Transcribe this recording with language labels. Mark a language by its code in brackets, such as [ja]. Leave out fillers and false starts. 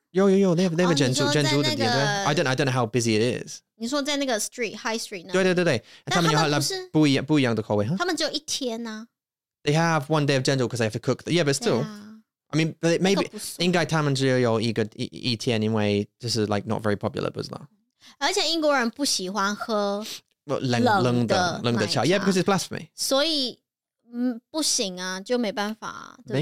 [zh] 有有有 [en] they have a [zh] 珍珠的店 [en] I don't know how busy it is. [zh] 你说在那个 [en] street high street [zh] 对对对对，他们有不一样的口味，他们只有一天啊。 [en] They have one day of 珍珠 because they have to cook. Yeah, but still, I mean, but maybe [zh] 应该他们只有一天，因为就是 [en] like not very popular， [zh] 不知道。而且英国人不喜欢喝冷的茶 [en] Yeah, because it's blasphemy. [zh] 所以不行啊，就没办法、啊、对不对？